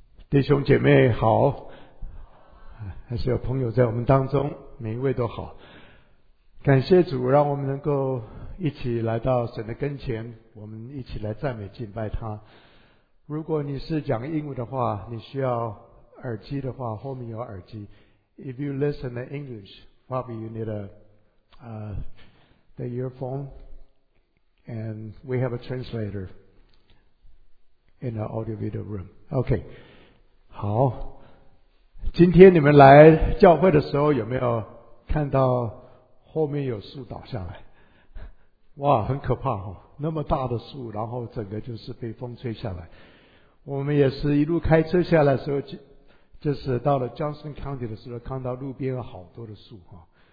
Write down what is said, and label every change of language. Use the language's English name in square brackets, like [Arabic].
[Chinese] 弟兄姐妹好，还是有朋友在我们当中，每一位都好。感谢主，让我们能够一起来到神的跟前，我们一起来赞美敬拜他。如果你是讲英文的话，你需要耳机的话，后面有耳机。 [English] If you listen to English, probably you need the earphone, and we have a translator in the audio video room. Okay. [Chinese] 好，今天你们来教会的时候有没有看到后面有树倒下来？哇，很可怕哦，那么大的树，然后整个就是被风吹下来。我们也是一路开车下来的时候，就是到了 Johnson County 的时候，看到路边有好多的树哈。